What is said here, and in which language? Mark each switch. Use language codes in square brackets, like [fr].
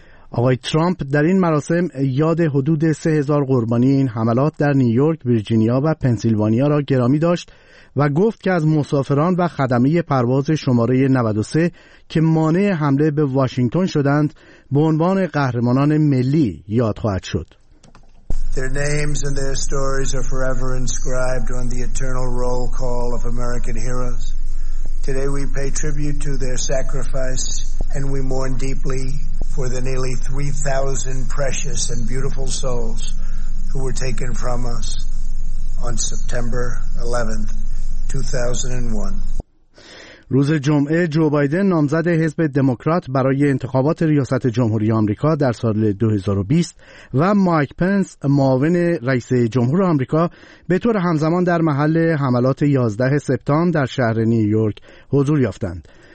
[fa] آقای ترامپ در این مراسم یاد حدود 3000 قربانی این حملات در نیویورک، ویرجینیا و پنسیلوانیا را گرامی داشت و گفت که از مسافران و خدمه پرواز شماره 93 که مانع حمله به واشنگتن شدند به عنوان قهرمانان ملی یاد خواهد شد. [en] Their names and their stories are forever inscribed on the eternal roll call of American heroes. Today we pay tribute to their sacrifice and we mourn deeply for the nearly 3000 precious and beautiful souls who were taken from us on September 11th. 2001. [fa] روز جمعه جو بایدن نامزد حزب دموکرات برای انتخابات ریاست جمهوری آمریکا در سال 2020 و مایک پنس معاون رئیس جمهور آمریکا به طور همزمان در محل حملات 11 سپتامبر در شهر نیویورک حضور یافتند.